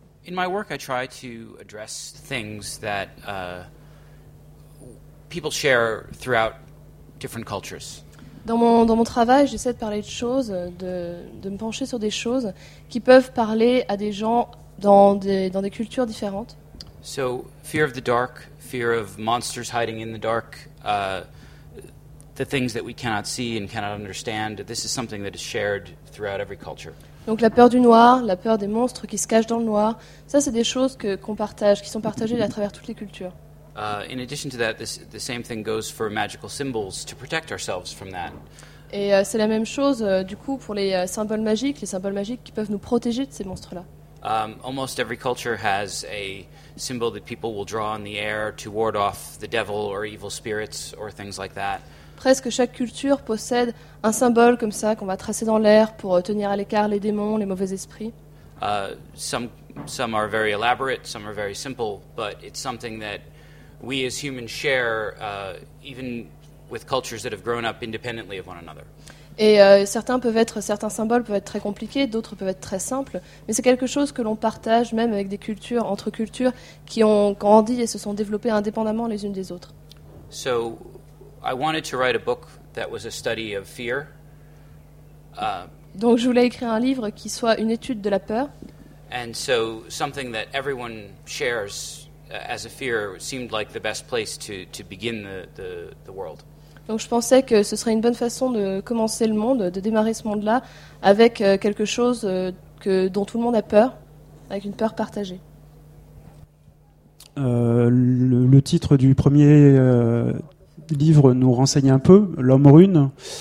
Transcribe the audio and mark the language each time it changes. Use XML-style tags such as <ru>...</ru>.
<en>In my work, I try to address things that people share throughout different cultures.</en> <fr>Dans mon travail, j'essaie de parler de choses, de me pencher sur des choses qui peuvent parler à des gens dans des cultures différentes.</fr> <en>So, fear of the dark, fear of monsters hiding in the dark, the things that we cannot see and cannot understand, this is something that is shared throughout every culture.</en> <fr>Donc la peur du noir, la peur des monstres qui se cachent dans le noir, ça c'est des choses qu'on partage, qui sont partagées à travers toutes les cultures.</fr> <en>In addition to that, the same thing goes for magical symbols to protect ourselves from that.</en> <fr>Et c'est la même chose du coup pour les symboles magiques qui peuvent nous protéger de ces monstres-là.</fr> <en>Almost every culture has a symbol that people will draw in the air to ward off the devil or evil spirits or things like that.</en> <fr>Presque chaque culture possède un symbole comme ça qu'on va tracer dans l'air pour tenir à l'écart les démons, les mauvais esprits.</fr> <en>Some are very elaborate, some are very simple, but it's something that we as humans share, even with cultures that have grown up independently of one another.</en> <fr>Et certains symboles peuvent être très compliqués, d'autres peuvent être très simples, mais c'est quelque chose que l'on partage même avec des cultures, entre cultures, qui ont grandi et se sont développées indépendamment les unes des autres.</fr> <en>So, I wanted to write a book that was a study of fear.</en> <fr>Donc je voulais écrire un livre qui soit une étude de la peur.</fr> <en>And so, something that everyone shares as a fear seemed like the best place to begin the world.</en> <fr>Donc je pensais que ce serait une bonne façon de commencer le monde, de démarrer ce monde-là avec quelque chose dont tout le monde a peur, avec une peur partagée. Le titre du premier livre nous renseigne un peu, L'homme rune.</fr>